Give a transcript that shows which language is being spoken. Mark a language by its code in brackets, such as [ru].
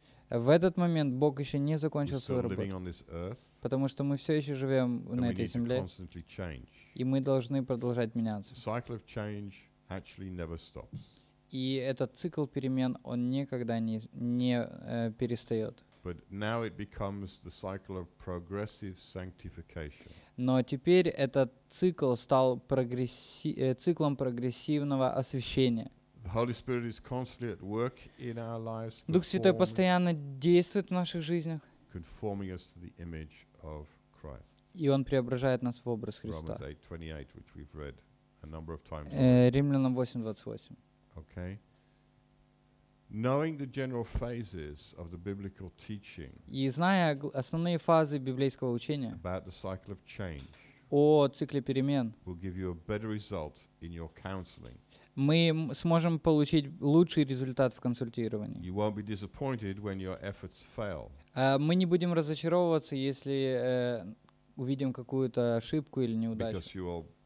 [ru] В этот момент Бог еще не закончил свою работу. [en] Living on this earth. [ru] Потому что мы все еще живем на этой земле, и мы должны продолжать меняться. [en] Cycle of change actually never stops. [ru] И этот цикл перемен, он никогда не перестает. [en] But now it becomes the cycle of progressive sanctification. [ru] Но теперь этот цикл стал циклом прогрессивного освящения. [en] The Holy Spirit is constantly at work in our lives. [ru] Дух Святой постоянно действует в наших жизнях. [en] Conforming us to the image of Christ. [ru] И он преображает нас в образ Христа. [en] Romans 8:28, which we've read a number of times. [ru] Римлянам 8:28. [en] Okay. Knowing the general phases of the biblical teaching. [ru] И зная основные фазы библейского учения. [en] About the cycle of change. [ru] О цикле перемен. [en] Will give you a better result in your counseling. [ru] Мы сможем получить лучший результат в консультировании. Мы не будем разочаровываться, если увидим какую-то ошибку или неудачу.